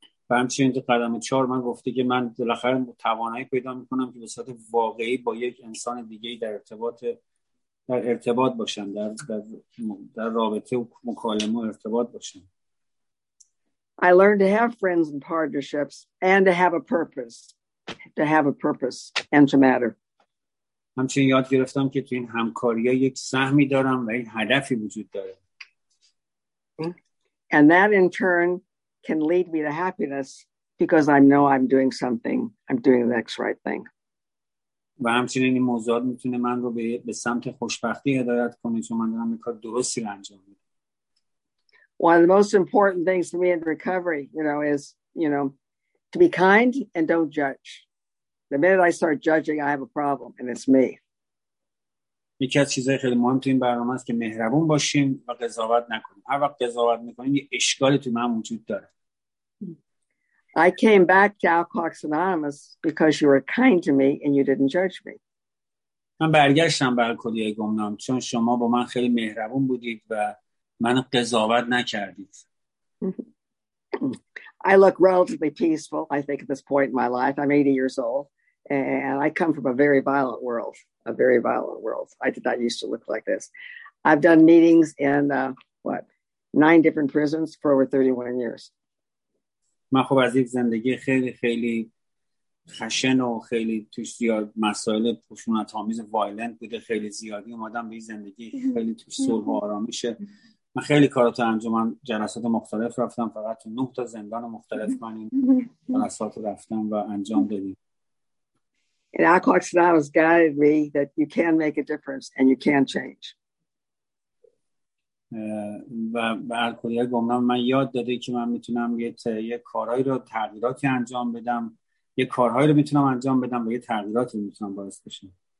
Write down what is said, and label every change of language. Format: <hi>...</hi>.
<fa>و همچنین تو قدم 4 من گفته که من بالاخره توانایی پیدا میکنم که به صورت واقعی با یک انسان دیگه در ارتباط باشم، در رابطه و مکالمه و ارتباط باشم.</fa> <en>I learned to have friends and partnerships and to have a purpose. To have a purpose and to matter.</en> <fa>همچنین یاد گرفتم که تو این همکاری ها یک سهمی دارم و این هدفی وجود داره.</fa> <en>And that in turn can lead me to happiness because I know I'm doing something. I'm doing the next right thing.</en> <fa>و همچنین این موضوعات میتونه من رو به سمت خوشبختی هدایت کنه چون من دارم کار درستی رو انجام میدم.</fa> <en>One of the most important things to me in recovery, is to be kind and don't judge. The minute I start judging, I have a problem and it's me.</en> <fa>یکی از چیزهای خیلی مهم تو این برنامه است که مهربون باشیم و قضاوت نکنیم. هر وقت قضاوت میکنیم یه اشکالی تو من وجود داره.</fa> <en>I came back to Alcoholics Anonymous because you were kind to me and you didn't judge me.</en> <fa>من برگشتم به الکلی گمنام چون شما با من خیلی مهربون بودید و من قضاوت نکردید.</fa> <en>I look relatively peaceful, I think, at this point in my life. I'm 80 years old and I come from a very violent world. A very violent world. I did not used to look like this. I've done meetings in 9 different prisons for over 31 years.</en> <fa>من خب از یک زندگی خیلی خیلی خشن و خیلی توش زیاد مسائل پشونت‌آمیز وایلنت بوده، خیلی زیادی اومدم به زندگی خیلی توش صلح و آرامشه. من خیلی کارات انجام دادم، جلسات مختلف رفتم، فقط 9 تا زندان مختلف من این جلسات رفتم و انجام دادم.</fa> <en>And Alcoholics Anonymous guided me that you can make a difference and you can change.</en> <fa>و الکلی‌های گمنام من یاد داده که من میتونم یه کارهایی رو تغییراتی انجام بدم، یه کارهایی رو میتونم انجام بدم و یه تغییراتی میتونم باعث بشم.</fa>